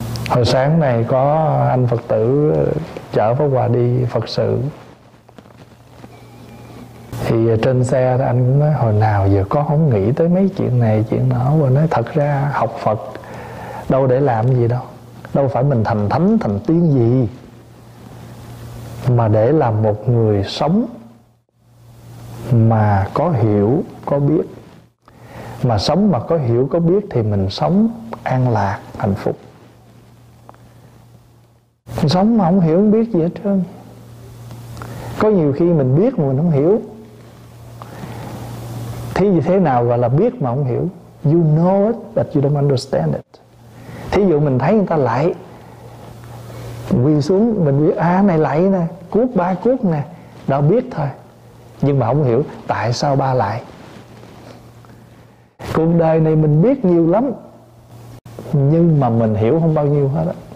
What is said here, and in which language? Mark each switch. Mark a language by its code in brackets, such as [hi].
[vi] Hồi sáng này có anh Phật tử chở Pháp Hòa đi Phật sự, thì trên xe anh cũng nói hồi nào giờ có không nghĩ tới mấy chuyện này chuyện nọ, và nói thật ra học Phật đâu để làm gì đâu, đâu phải mình thành thánh thành tiên gì, mà để làm một người sống mà có hiểu có biết, mà sống mà có hiểu có biết thì mình sống an lạc hạnh phúc. Sống mà không hiểu không biết gì hết trơn. Có nhiều khi mình biết mà mình không hiểu. Thí dụ thế nào gọi là biết mà không hiểu? [en] You know it but you don't understand it. [vi] Thí dụ mình thấy người ta lạy, quỳ xuống mình biết à này lạy nè, cuốc ba cuốc nè, đó biết thôi. Nhưng mà không hiểu tại sao ba lạy. Cuộc đời này mình biết nhiều lắm nhưng mà mình hiểu không bao nhiêu hết á.